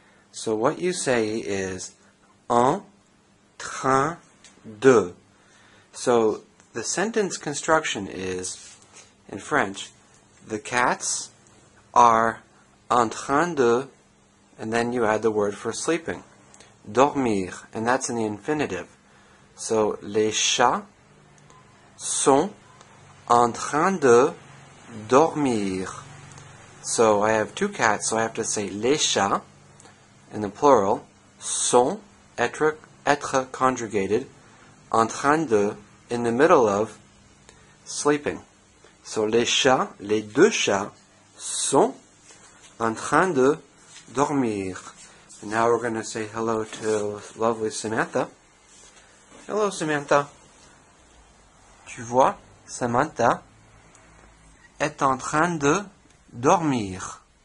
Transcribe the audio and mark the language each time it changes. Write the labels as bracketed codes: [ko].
[en] So what you say is [fr] en train de. [en] So, the sentence construction is, in French, the cats are [fr] en train de, [en] and then you add the word for sleeping, dormir, and that's in the infinitive. [fr] So, les chats sont en train de dormir. [en] So, I have two cats, so I have to say [fr] les chats, [en] in the plural, sont, être conjugated, [fr] en train de, [en] in the middle of sleeping. [fr] So les chats, les deux chats, sont en train de dormir. [en] And now we're going to say hello to lovely Samantha. Hello, Samantha. [fr] Tu vois, Samantha est en train de dormir.